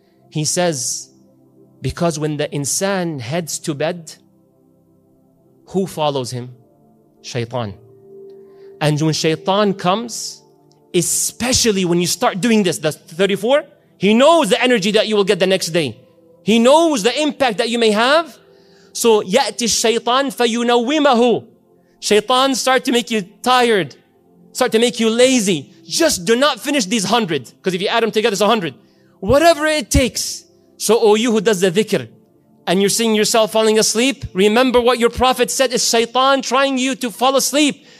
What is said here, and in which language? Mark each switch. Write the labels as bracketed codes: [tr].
[en] He says, because when the insan heads to bed, who follows him? Shaytan. And when shaytan comes, especially when you start doing this, the 34, he knows the energy that you will get the next day. He knows the impact that you may have. So, [ar] يَأْتِ الشَّيْطَانِ فَيُنَوِّمَهُ. [en] Shaytan start to make you tired, start to make you lazy. Just do not finish these 100, because if you add them together, it's 100. Whatever it takes. So, oh, you who does the dhikr, and you're seeing yourself falling asleep, remember what your Prophet said, is shaytan trying you to fall asleep.